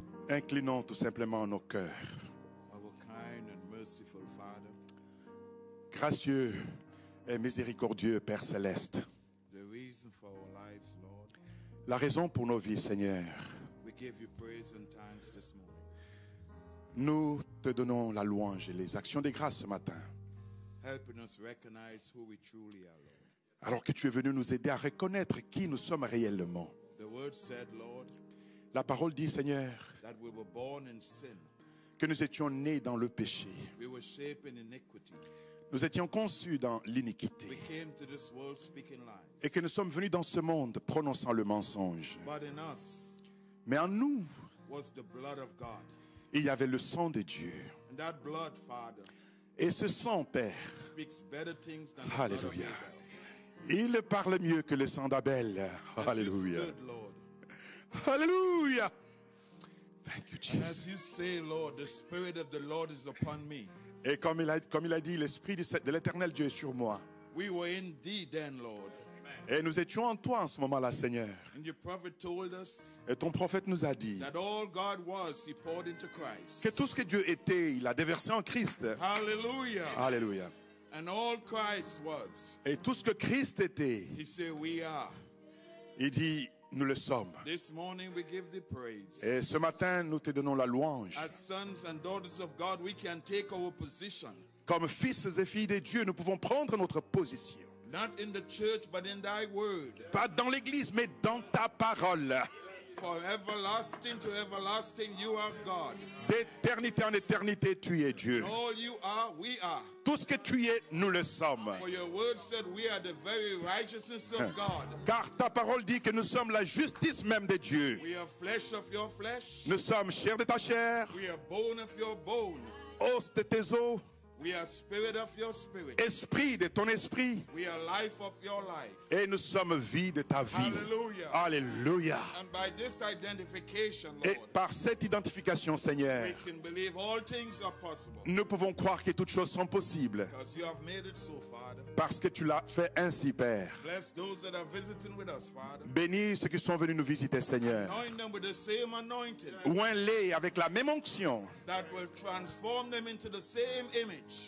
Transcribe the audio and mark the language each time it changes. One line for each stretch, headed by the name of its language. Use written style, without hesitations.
French: Inclinons tout simplement nos cœurs.
English: Our kind and merciful Father.
French: Gracieux et miséricordieux Père Céleste.
English: The reason for our lives, Lord.
French: La raison pour nos vies, Seigneur.
English: We give you praise and thanks this morning.
French: Nous te donnons la louange et les actions des grâces ce matin.
English: Helping us recognize who we truly are, Lord.
French: Alors que tu es venu nous aider à reconnaître qui nous sommes réellement.
English: The word said, Lord,
French: la parole dit, Seigneur,
English: that we were born in sin.
French: Que nous étions nés dans le péché.
English: We were shaped in iniquity.
French: Nous étions conçus dans l'iniquité.
English: We came to this world speaking lies.
French: Et que nous sommes venus dans ce monde prononçant le mensonge.
English: But in us,
French: mais en nous,
English: was the blood of God.
French: Il y avait le sang de Dieu.
English: And that blood, Father,
French: et ce sang, Père,
English: speaks better things than the blood of Abel.
French: Il parle mieux que le sang d'Abel. Alléluia. Alléluia.
English: Thank you, Jesus. And as you say, Lord, the Spirit of the Lord is upon me.
French: Et comme il a dit, l'Esprit de l'Éternel Dieu est sur moi.
English: We were indeed then, Lord.
French: Et nous étions en toi en ce moment-là, Seigneur.
English: And your prophet told us,
French: et ton prophète nous a dit
English: that all God was, he poured into Christ.
French: Que tout ce que Dieu était, il a déversé en Christ. Alléluia. Alléluia.
English: And all Christ was,
French: et tout ce que Christ était,
English: he said, we are.
French: Il dit, nous le sommes.
English: This morning we give the praise.
French: Et ce matin, nous te donnons la louange.
English: As sons and daughters of God, we can take our position.
French: Comme fils et filles de Dieu, nous pouvons prendre notre position.
English: Not in the church, but in thy word.
French: Pas dans l'église, mais dans ta parole.
English: For everlasting to everlasting, you are God.
French: D'éternité en éternité, tu es Dieu.
English: And all you are, we are.
French: Tout ce que tu es, nous le sommes.
English: For your word said we are the very righteousness of God.
French: Car ta parole dit que nous sommes la justice même de Dieu.
English: We are flesh of your flesh.
French: Nous sommes chair de ta chair.
English: We are bone of your bone.
French: Os de tes os.
English: We are spirit of your spirit.
French: Esprit de ton esprit.
English: We are life of your life.
French: Et nous sommes vie de ta vie. Alléluia. Alléluia.
English: And by this identification, Lord,
French: et par cette identification, Seigneur,
English: we can believe all things are possible.
French: Nous pouvons croire que toutes choses sont possibles.
English: Because you have made it so, Father.
French: Parce que tu l'as fait ainsi, Père.
English: Bless those that are visiting with us, Father.
French: Bénis ceux qui sont venus nous visiter, Seigneur.
English: Anoint them with the same anointing.
French: Oint-les avec la même onction.
English: That will transform them into the same image.